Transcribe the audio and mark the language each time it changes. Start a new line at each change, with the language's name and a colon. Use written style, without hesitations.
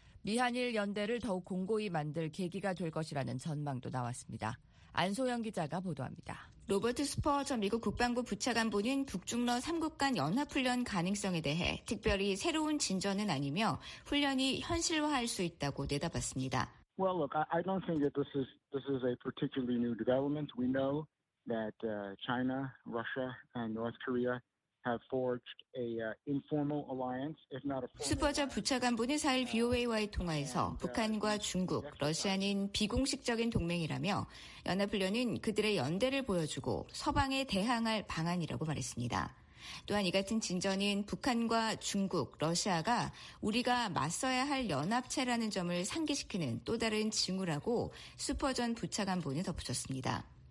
Korean: 미한일 연대를 더욱 공고히 만들 계기가 될 것이라는 전망도 나왔습니다. 안소영 기자가 보도합니다. 로버트 스퍼 전 미국 국방부 부차관보는 북중러 3국 간 연합훈련 가능성에 대해 특별히 새로운 진전은 아니며 훈련이 현실화할 수 있다고 내다봤습니다.
English: Well, look, I don't think that this is a particularly new development. We know that China, Russia, and North Korea have forged a informal alliance, if not a formal.
Korean: 스퍼저 부차관보는 4일 VOA와의 통화에서 북한과 중국, 러시아는 비공식적인 동맹이라며 연합훈련은 그들의 연대를 보여주고 서방에 대항할 방안이라고 말했습니다. 또한 이 같은 진전인 북한과 중국, 러시아가 우리가 맞서야 할 연합체라는 점을 상기시키는 또 다른 징후라고 슈퍼전 부차관보는 덧붙였습니다.